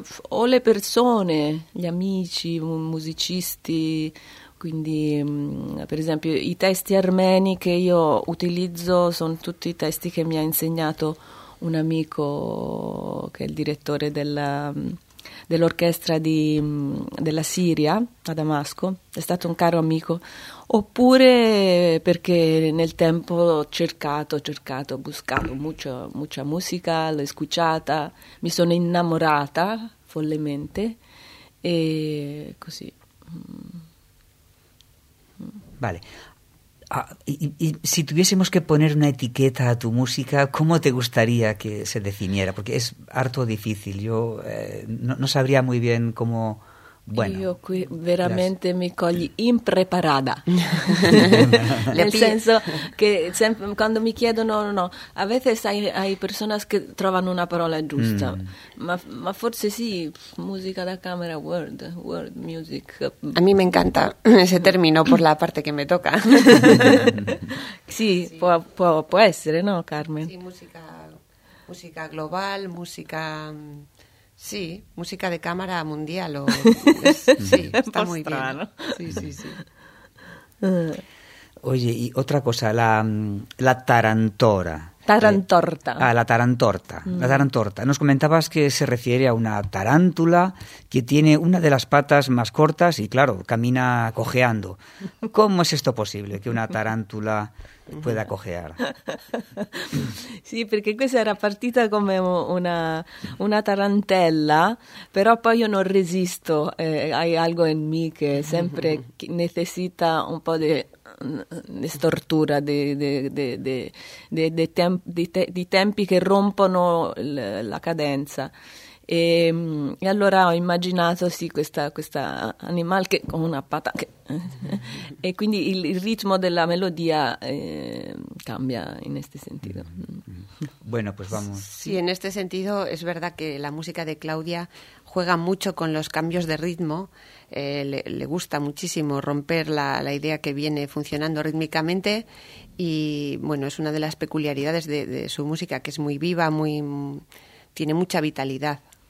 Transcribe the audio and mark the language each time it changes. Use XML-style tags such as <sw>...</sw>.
<it>O le persone, gli amici, musicisti, quindi per esempio i testi armeni che io utilizzo sono tutti i testi che mi ha insegnato un amico che è il direttore dell'orchestra della Siria a Damasco, è stato un caro amico, oppure perché nel tempo ho cercato</it> <es>mucha musica,</es> <it>l'ho escuchata, mi sono innamorata follemente e così.</it> <es>Vale. Y si tuviésemos que poner una etiqueta a tu música, ¿cómo te gustaría que se definiera? Porque es harto difícil. Yo no sabría muy bien cómo</es> <it>Bueno, io qui veramente mi cogli impreparata. Nel senso che sempre, quando mi chiedono, no, a volte hai persone che trovano una parola giusta, ma forse sì, musica da camera, world music. A me mi</it> <es>encanta ese</es> <it>termine per la parte che mi tocca. Sì, sì. Può essere, no, Carmen? Sì, musica global, musica...</it> <es>Sì, musica de cámara mundial. Sí, está muy bien. Sí. Oye, y otra cosa, la tarantora. Tarantorta. La tarantorta. La tarantorta. Nos comentabas que se refiere a una tarántula que tiene una de las patas más cortas y, claro, camina cojeando. ¿Cómo es esto posible que una tarántula pueda cojear?</es> <it>Sí, perché questa era partita come una tarantella, però poi io non resisto.</it> <es>Hay algo en mí que siempre necesita</es> <it>un po' di stortura, di tempi che rompono la cadenza. E allora ho immaginato sì questa animale che con una pata che, e quindi il ritmo della melodia cambia in questo senso.</it> <es>Bueno, pues vamos.</es> <it>Sì, in questo senso è vero che la musica di Claudia</it> <es>juega mucho con los cambios de ritmo, le gusta muchísimo romper la idea que viene funcionando rítmicamente y bueno, es una de las peculiaridades de su música, que es muy viva, tiene mucha vitalidad.</es>